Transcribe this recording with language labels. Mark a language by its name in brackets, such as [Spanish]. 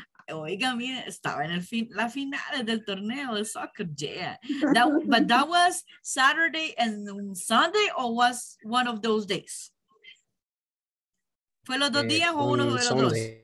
[Spanish] Oiga, mire, estaba en la final del torneo de soccer. [English] Yeah. But that was Saturday and Sunday, or was one of those days? [Spanish] ¿Fue los dos días o uno de los dos?